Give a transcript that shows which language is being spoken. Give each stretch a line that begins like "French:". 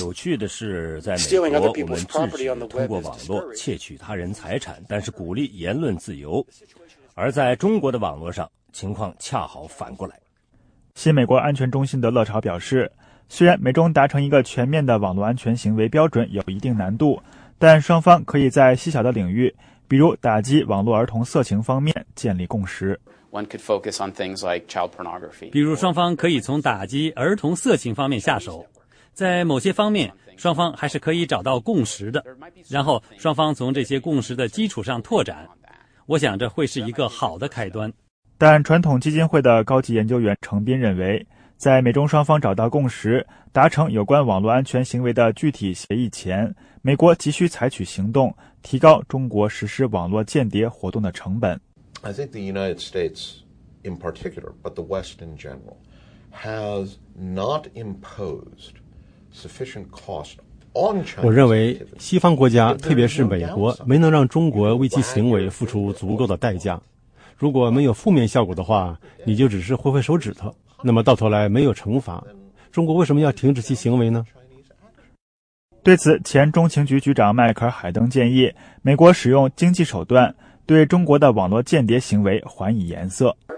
Chinese: 有趣的是，在美国，我们制止通过网络窃取他人财产，但是鼓励言论自由；而在中国的网络上，情况恰好反过来。新美国安全中心的乐潮表示，虽然美中达成一个全面的网络安全行为标准有一定难度，但双方可以在细小的领域，比如打击网络儿童色情方面建立共识。
English: One could focus on things like child pornography.
Chinese: 比如双方可以从打击儿童色情方面下手，在某些方面双方还是可以找到共识的，然后双方从这些共识的基础上拓展，我想这会是一个好的开端。但传统基金会的高级研究员程斌认为，在美中双方找到共识，达成有关网络安全行为的具体协议前，美国急需采取行动，提高中国实施网络间谍活动的成本。
English: I think the United States in particular, but the West in general, has not imposed sufficient cost on China.
Chinese: 我认为西方国家，特别是美国，没能让中国为其行为付出足够的代价。如果没有负面效果的话，你就只是挥挥手指头，那么到头来没有惩罚。中国为什么要停止其行为呢？对此，前中情局局长迈克尔·海登建议，美国使用经济手段对中国的网络间谍行为还以颜色。